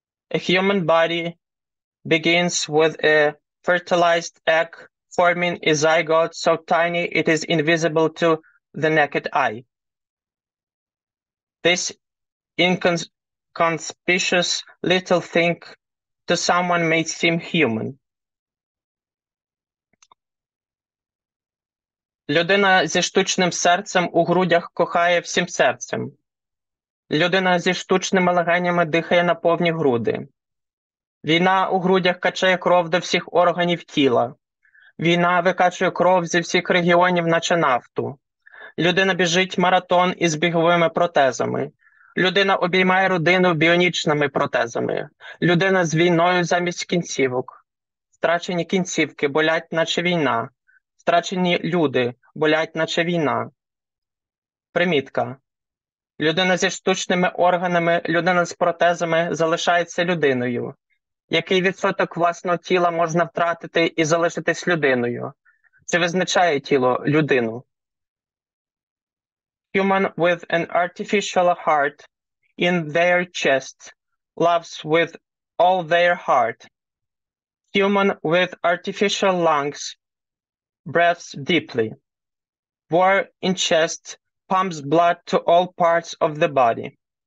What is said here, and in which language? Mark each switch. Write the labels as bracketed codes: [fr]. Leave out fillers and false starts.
[en] A human body begins with a fertilized egg forming a zygote so tiny it is invisible to the naked eye. This inconspicuous little thing to someone may seem human. [uk] Людина зі штучним серцем у грудях кохає всім серцем. Людина зі штучними легенями дихає на повні груди. Війна у грудях качає кров до всіх органів тіла. Війна викачує кров зі всіх регіонів, наче нафту. Людина біжить маратон із біговими протезами. Людина обіймає родину біонічними протезами. Людина з війною замість кінцівок. Втрачені кінцівки болять, наче війна. Втрачені люди болять, наче війна. Примітка. Людина зі штучними органами, людина з протезами залишається людиною. Який відсоток власного тіла можна втратити і залишитись людиною? Чи визначає тіло людину? [en] Human with an artificial heart in their chest loves with all their heart. Human with artificial lungs breathes deeply. War in chest pumps blood to all parts of the body.